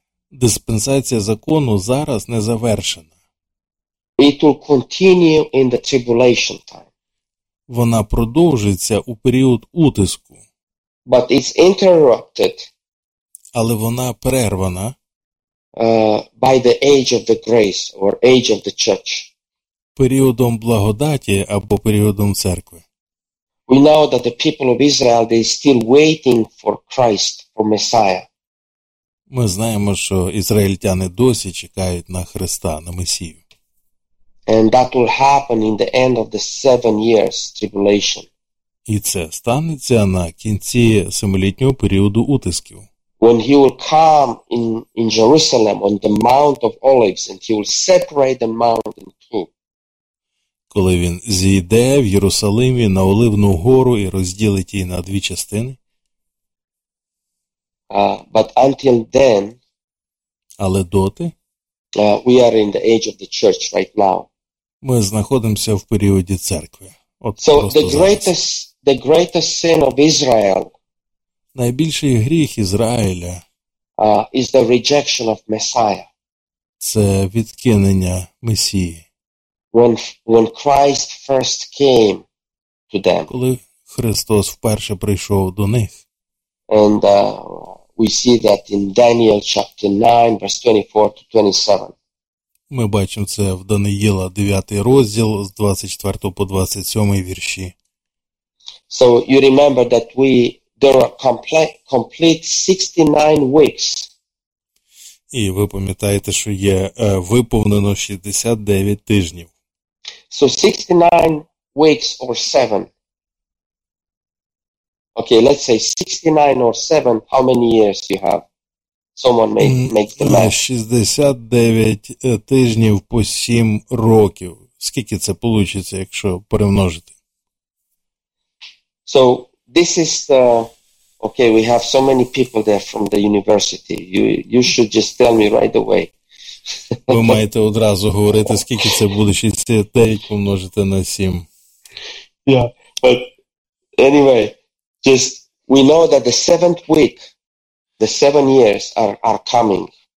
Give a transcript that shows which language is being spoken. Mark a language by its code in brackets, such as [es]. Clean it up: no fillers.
[uk] Диспенсація закону зараз не завершена. [en] It will continue in the tribulation time. [uk] Вона продовжиться у період утиску. [en] But it's interrupted. [uk] Але вона перервана. [en] By the age of the grace or age of the church. [uk] Періодом благодаті або періодом церкви. [en] We know that the people of Israel, they still waiting for Christ, for Messiah. [uk] Ми знаємо, що ізраїльтяни досі чекають на Христа, на Месію. [en] And that will happen in the end of the 7 years tribulation. [uk] І це станеться на кінці семилітнього періоду утисків. [en] When he will come in Jerusalem on the Mount of Olives and he will separate the Mount in two. [uk] Коли він зійде в Єрусалимі на Оливну гору і розділить її на дві частини. [en] But until then, [uk] але доти, [en] we are in the age of the church right now. [uk] Ми знаходимося в періоді церкви. [en] So the greatest sin of Israel, [uk] найбільший гріх Ізраїля, [en] is the rejection of Messiah. [uk] Це відкинення Месії. [en] When Christ first came to them. [uk] Коли Христос вперше прийшов до них. [en] And we see that in Daniel chapter 9 verse 24-27. [uk] Ми бачимо це в Даниїла 9 розділ з 24 по 27 вірші. [en] So you remember that we there are complete 69 weeks. [uk] І ви пам'ятаєте, що є виповнено 69 тижнів. [en] So 69 weeks or 7. Okay, let's say 69 or 7, how many years you have? Someone make the math. [uk] 69 тижнів по 7 років. Скільки це получиться, якщо перемножити? [en] So, this is the okay, we have so many people there from the university. You should just tell me right away. [uk] Ви маєте одразу говорити, скільки це буде 69 помножити на 7. [en] Yeah, but anyway, just we know that the seventh week, the 7 years are coming.